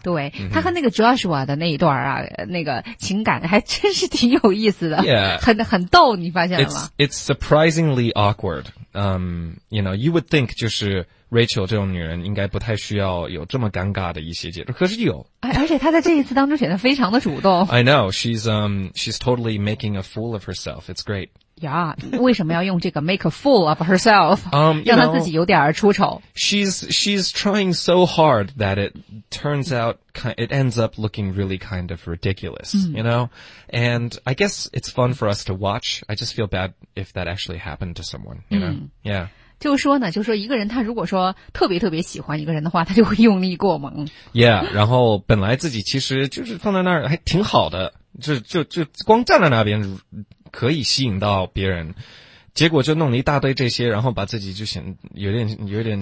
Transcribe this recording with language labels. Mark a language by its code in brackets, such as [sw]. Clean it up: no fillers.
[zh] 对、mm-hmm. 他和那个 Joshua 的那一段啊那个情感还真是挺有意思的、 [en] yeah. [zh] 很逗你发现了吗 [en] it's surprisingly awkward you know, you would think [zh] 就是 Rachel 这种女人应该不太需要有这么尴尬的一些节奏，可是有。而且她在这一次当中显得非常的主动。 [en] I know, she's totally making a fool of herself. It's great. [zh] Yeah, 为什么要用这个 [en] make a fool of herself? [zh] 让她自己有点出丑。 [en] She's trying so hard that it turns out, it ends up looking really kind of ridiculous, you know? And I guess it's fun for us to watch. I just feel bad if that actually happened to someone, you know? Yeah. [zh] 就说呢，就说一个人他如果说特别特别喜欢一个人的话，他就会用力过猛。 Yeah, 然后本来自己其实就是放在那儿还挺好的，就光站在那边可以吸引到别人，结果就弄了一大堆这些，然后把自己就显有点